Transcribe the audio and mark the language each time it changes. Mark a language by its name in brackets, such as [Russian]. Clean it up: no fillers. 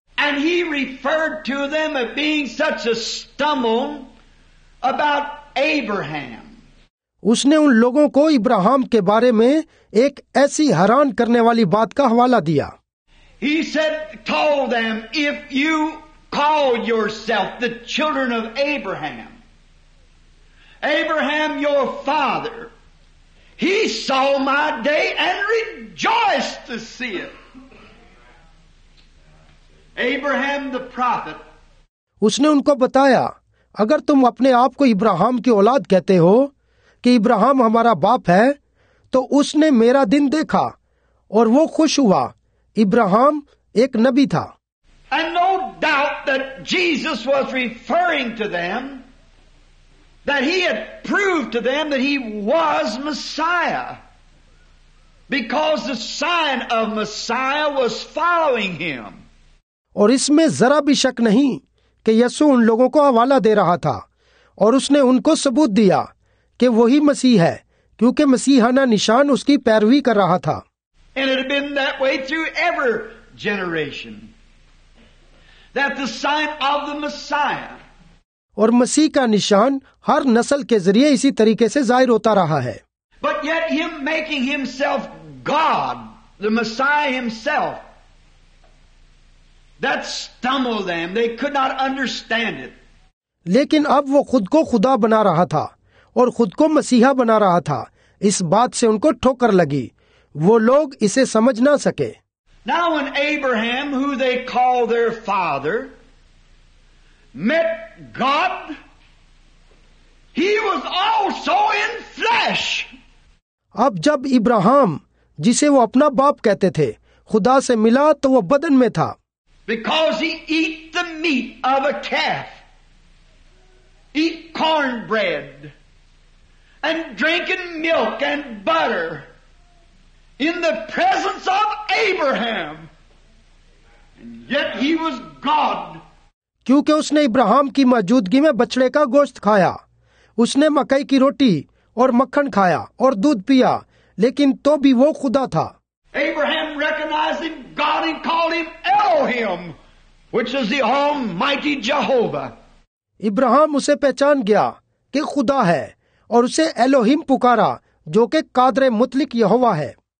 [English] And he referred to them as being such a stumble about Abraham. [Hindi] उसने उन लोगों को इब्राहिम के बारे में एक ऐसी हैरान करने वाली बात का हवाला दिया. [English] He said, told them, if you call yourself the children of Abraham, Abraham your father, he saw my day and rejoiced to see it. Abraham the prophet. [Hindi] उसने उनको बताया, अगर तुम अपने आप को इब्राहिम की औलाद कहते हो कि इब्राहिम हमारा बाप है, तो उसने मेरा दिन देखा और वो खुश हुआ. इब्राहिम एक नबी था. [English] And no doubt that Jesus was referring to them, that he had proved to them that he was Messiah, because the sign of Messiah was following him. [Hindi] और इसमें जरा भी शक नहीं कि यीशु उन लोगों को हवाला दे रहा था, और उसने उनको सबूत दिया कि वही मसीह है, क्योंकि मसीहाना निशान उसकी पैरवी कर रहा था. [English] And it had been that way through every generation, that the sign of the Messiah. [Hindi] और मसीह का निशान हर नस्ल के जरिए इसी तरीके से जाहिर होता रहा है. [English] But yet him making himself God, the Messiah himself, that stumbled them. They could not understand it. [Hindi] लेकिन अब वो खुद को खुदा बना रहा था और खुद को मसीहा बना रहा था. इस बात से उनको ठोकर लगी. वो लोग इसे समझ ना सके. [English] Now when Abraham, who they call their father, met God, he was also in flesh. [Hindi] अब जब इब्राहिम, जिसे वो अपना बाप कहते थे, खुदा से मिला, तो वो बदन में था. [English] Because he eat the meat of a calf, eat cornbread, and drinking milk and butter in the presence of Abraham, and yet he was God. [Hindi] क्योंकि उसने इब्राहिम की मौजूदगी में बछड़े का गोश्त खाया, उसने मकई की रोटी और मक्खन खाया और दूध पिया, लेकिन तो भी वो खुदा था. [English] Abraham recognized him, God, and called him Elohim, which is the Almighty Jehovah. [Hindi] Ibrahim उसे पहचान गया कि खुदा है, और उसे एलोहिम पुकारा, जो कि कादरे मुतलिक यहोवा है.